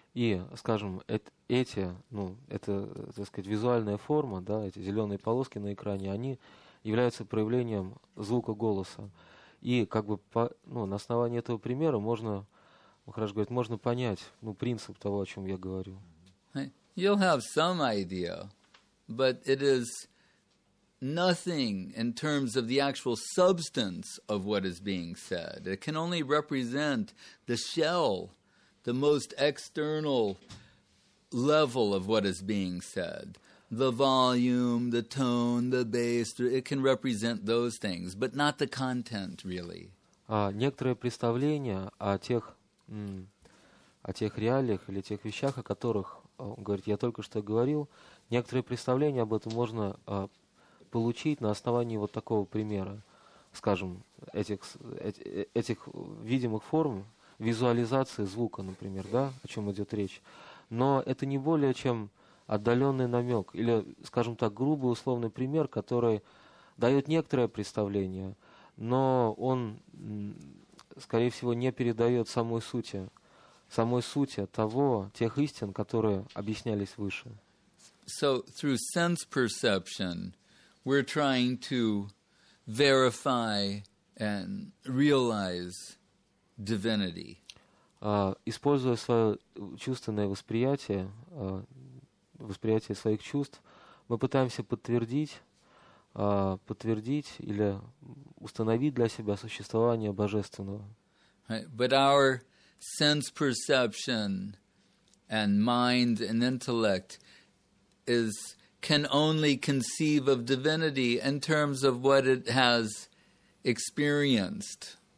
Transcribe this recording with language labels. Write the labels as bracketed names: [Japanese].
[Russian] И, скажем, так сказать, визуальная форма, да, эти зеленые полоски на экране, они являются проявлением звука голоса. И, как бы, на основании этого примера можно, Махарадж говорит, можно понять, принцип того, о чем я говорю. [English] You'll have some idea, but it is nothing in terms of the actual substance of what is being said. It can only represent the shell, the most external level of what is being said. The volume, the tone, the bass, it can represent those things, but not the content, really. [Russian] Некоторое представление о тех реалиях или тех вещах, о которых, он говорит, я только что говорил, некоторые представления об этом можно получить на основании вот такого примера, скажем, этих видимых форм, визуализации звука, например, да, о чем идет речь. Но это не более чем отдаленный намек или, скажем так, грубый условный пример, который дает некоторое представление, но он, скорее всего, не передает самой сути того, тех истин, которые объяснялись выше. [English] So through sense perception, we're trying to verify and realize divinity. [Russian] Используя свое чувственное восприятие, восприятие своих чувств, мы пытаемся подтвердить подтвердить или установить для себя существование божественного. [English] But our sense perception and mind and intellect is can only conceive of divinity in terms of what it has experienced.